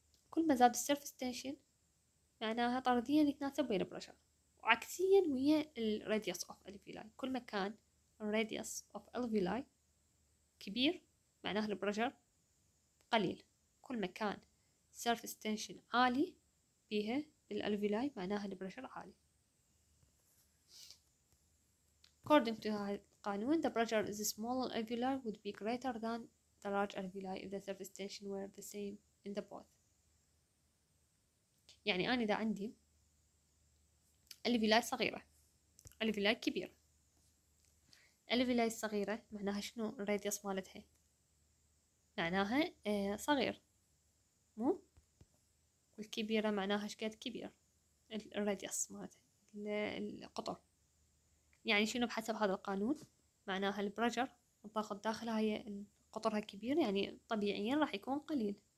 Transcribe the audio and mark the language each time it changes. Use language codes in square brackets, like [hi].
[ar] كل ما زاد surface tension معناها طرديا يتناسب ويا pressure، وعكسيا ويا radius of alveoli، كل ما كان radius of alveoli كبير معناه البرجر قليل، كل ما كان surface tension عالي بيها بالالفيولاي معناه البرجر عالي. [en] according to [ar] هذا القانون [en] the pressure is small alveoli would be greater than the large alveoli if the surface tension were the same in the both. [ar] يعني أنا إذا عندي alveoli صغيرة alveoli كبيرة، الفيلاي الصغيرة معناها شنو الراديوس مالتها؟ معناها صغير مو؟ والكبيرة معناها شقد كبير الراديوس مالتها القطر، يعني شنو بحسب هذا القانون؟ معناها البرجر الضغط داخلها هي قطرها كبير، يعني طبيعيا راح يكون قليل،